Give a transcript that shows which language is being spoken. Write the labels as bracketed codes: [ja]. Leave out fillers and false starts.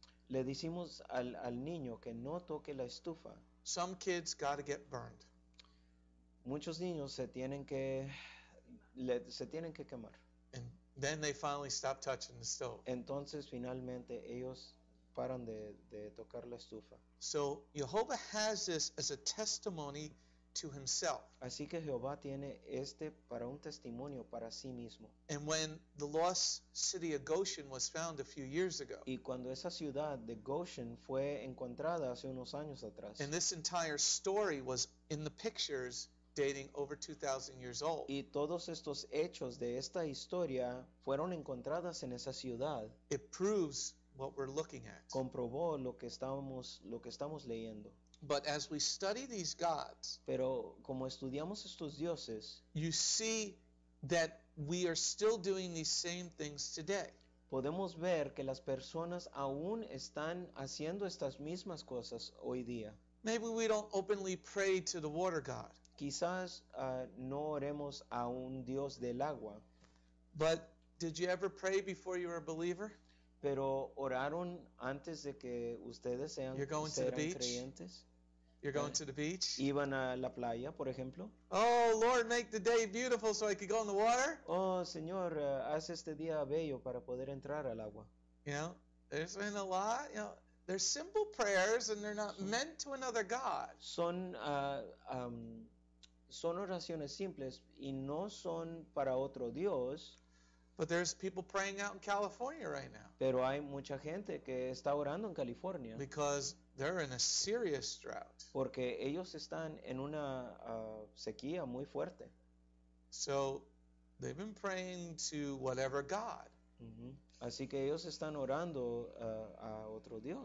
[es] Le decimos al niño que no toque la estufa. [en] Some kids got to get burned. [es] Muchos niños se tienen que quemar. [en] And then they finally stop touching the stove. [es] Entonces finalmente ellos paran de tocar la estufa. [en] So Jehovah has this as a testimony to himself. [es] Así que Jehová tiene este para un testimonio para sí mismo. [en] And when the lost city of Goshen was found a few years ago. [es] Y cuando esa ciudad de Goshen fue encontrada hace unos años atrás. [en] And this entire story was in the pictures dating over 2,000 years old. [es] Y todos estos hechos de esta historia fueron encontradas en esa ciudad. [en] It proves what we're looking at. [es] Comprobó lo que estamos leyendo. [en] But as we study these gods, [es] pero como estudiamos estos dioses, [en] you see that we are still doing these same things today. [es] Podemos ver que las personas aún están haciendo estas mismas cosas hoy día. [en] Maybe we don't openly pray to the water god. [es] quizás no oremos a un Dios del agua. [en] But did you ever pray before you were a believer? [es] Pero oraron antes de que ustedes sean creyentes. [en] You're going to the beach. [es] Iban a la playa, por ejemplo. [en] Oh Lord, make the day beautiful so I could go in the water. [es] Oh Señor, haz este día bello para poder entrar al agua. [en] You know, there's been a lot. You know, they're simple prayers and they're not meant to another God. [es] Son oraciones simples y no son para otro Dios. [en] But there's people praying out in California right now. [es] Pero hay mucha gente que está orando en California. [en] Because they're in a serious drought. [es] Porque ellos están en una sequía muy fuerte. [en] So they've been praying to whatever God. Uh-huh. [es] Así que ellos están orando a otro Dios.